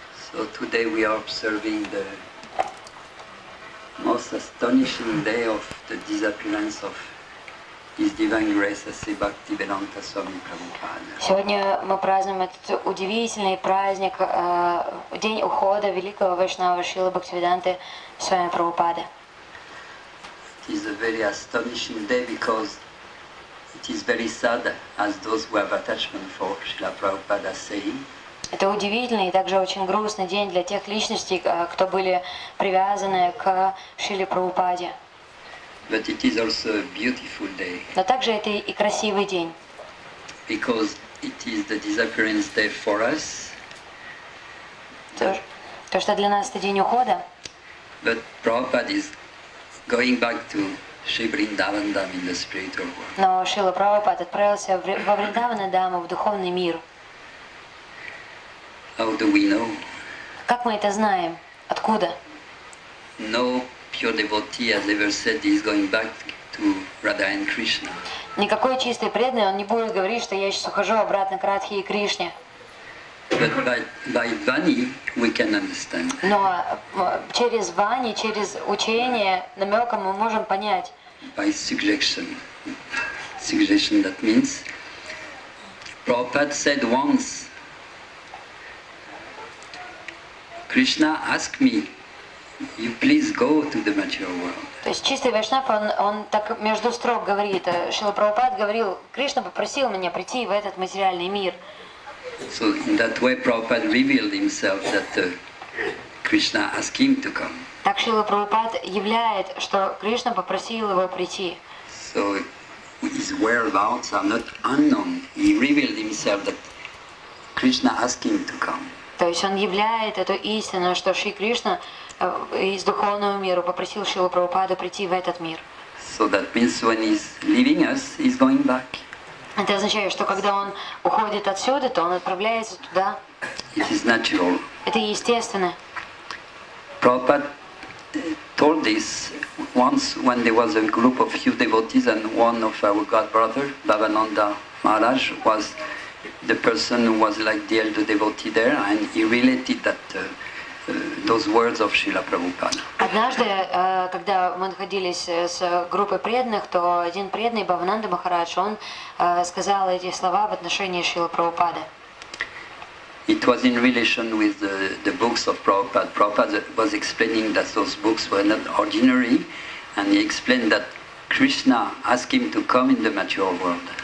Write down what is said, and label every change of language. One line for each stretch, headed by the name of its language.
English: So today we are observing the most astonishing day of the disappearance of His Divine Grace Sri Bhaktivedanta Swami Prabhupada.
Russian: Сегодня мы празднуем этот удивительный праздник, день ухода великого Вайшнава Шрилы Бхактивиданты Свами Прабхупады.
English: It is a very astonishing day because it is very sad as those who have attachment for Srila Prabhupada say.
Russian: Это удивительный и также очень грустный день для тех личностей, кто были привязаны к Шриле Прабхупаде.
English: But it is also a beautiful day.
Russian: Но также это и красивый день.
English: Because it is the disappearance day for us.
Russian: То, что для нас это день ухода.
English: But Prabhupada is going back to Shri Vrindavan Dham in the spiritual world.
Russian: Но Шрила Прабхупада отправился во Вриндавана Даму, в духовный мир.
English: How do we know?
Russian: Как мы это знаем? Откуда?
English: No pure devotee has ever said he's going back to Radha and Krishna.
Russian: Никакой чистый преданный он не будет говорить, что я сейчас ухожу обратно к Радхе и Кришне.
English: But by Vani we can understand.
Russian: Но через Вани, через учение, намеком мы можем понять.
English: By suggestion that means Prabhupada said once. Krishna asked me, "You please go to the material world."
Russian: То есть чистый Вайшнав он так между строк говорит. Шрила Прабхупада говорил, Кришна попросил меня прийти в этот материальный мир.
English: So in that way, Prabhupada revealed himself that Krishna asked him to come.
Russian: Так Шрила Прабхупада являет, что Кришна попросил его прийти.
English: So his whereabouts are not unknown. He revealed himself that Krishna asked him to come.
Russian: То есть он являет эту истину, что Шри Кришна из духовного мира попросил Шрилу Прабхупаду прийти в этот мир.
English: So that means when he's leaving us, he's going back.
Russian: Это означает, что когда он уходит отсюда, то он отправляется туда.
English: It is natural.
Russian: Это естественно.
English: Prabhupada told this once when there was a group of few devotees and one of our god brother, Bhavananda Maharaj, was the person who was like the elder devotee there, and he related that those words of Srila Prabhupada.
Russian: Однажды, когда мы находились с группой преданных, то один преданный Бхавананда Махарадж, он сказал эти слова в отношении Шрилы Прабхупады.
English: It was in relation with the books of Prabhupada. Prabhupada was explaining that those books were not ordinary, and he explained that Krishna asked him to come in the material world.